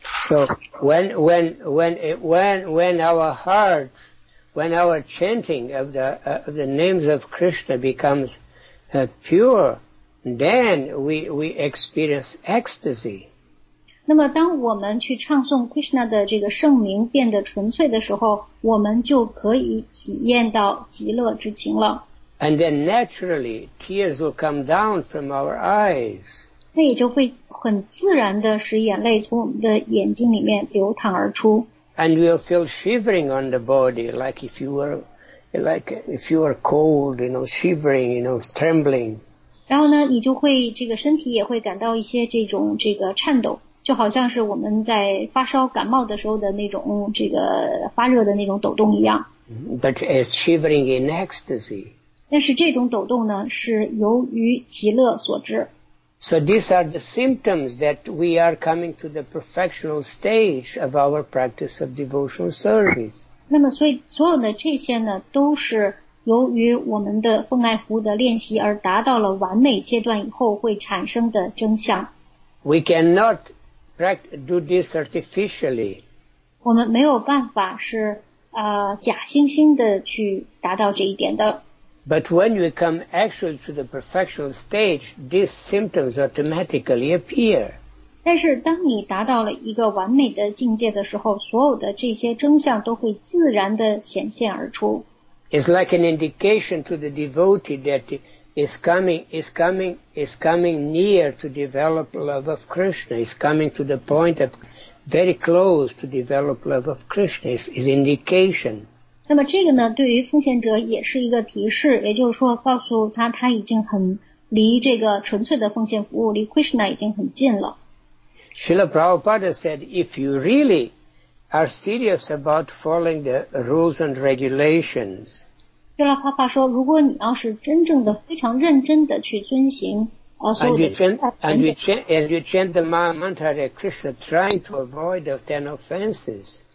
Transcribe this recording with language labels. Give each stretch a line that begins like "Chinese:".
English: So when our chanting of the names of Krishna becomes pure, then we experience ecstasy.
Chinese: 那么当我们去唱诵 Krishna 的这个圣名变得纯粹的时候，我们就可以体验到极乐之情了。
English: And then naturally tears will come down from our eyes.
Chinese: 那也就会很自然的使眼泪从我们的眼睛里面流淌而出。
English: And you'll feel shivering on the body, like if you were cold, you know, shivering, you know, trembling.
Chinese: 然后呢，你就会这个身体也会感到一些这种这个颤抖，就好像是我们在发烧感冒的时候的那种这个发热的那种抖动一样。
English: But as shivering in ecstasy.
Chinese: 但是这种抖动呢，是由于极乐所致。
English: So these are the symptoms that we are coming to the perfectional stage of our practice of devotional service.
Chinese: 那么所以所有的这些呢都是由于我们的奉爱服务的练习而达到了完美阶段以后会产生的真相。
English: We cannot do this artificially.
Chinese: 我们没有办法是假惺惺的去达到这一点的。
English: But when we come actually to the perfection stage, these symptoms automatically appear.
Chinese: 但是当你达到了一个完美的境界的时候，所有的这些征象都会自然的显现而出。
English: It's like an indication to the devotee that is coming near to develop love of Krishna. Is coming to the point of very close to develop love of Krishna. Is indication.
Chinese: 那么这个呢对于奉献者也是一个提示，也就是说告诉他他已经很离这个纯粹的奉献服务，离 Krishna 已经很近了。
English: Srila Prabhupada said, if you really are serious about following the rules and regulations,
Chinese: Srila Prabhupada 说如果你要是真正的非常认真的去遵行
English: and you chant the mantra Hare Krishna trying to avoid the 10 offenses,